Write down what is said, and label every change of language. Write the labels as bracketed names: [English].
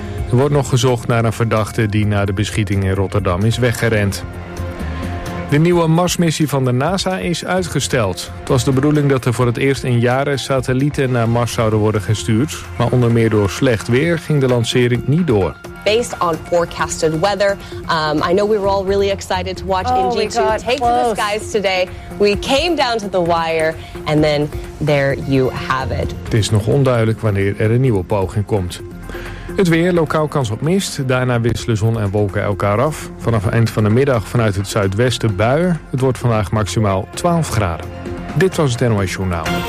[Dutch] Er wordt nog gezocht naar een verdachte die na de beschieting in Rotterdam is weggerend. De nieuwe Marsmissie van de NASA is uitgesteld. Het was de bedoeling dat er voor het eerst in jaren satellieten naar Mars zouden worden gestuurd. Maar onder meer door slecht weer ging de lancering niet door. [English] Based on forecasted weather, I know we were all really excited to watch Ingenuity take to the skies today. We came down to the wire and then there you have it. [Dutch] Het is nog onduidelijk wanneer er een nieuwe poging komt. Het weer, lokaal kans op mist. Daarna wisselen zon en wolken elkaar af. Vanaf eind van de middag vanuit het zuidwesten buien. Het wordt vandaag maximaal 12 graden. Dit was het NOS Journaal.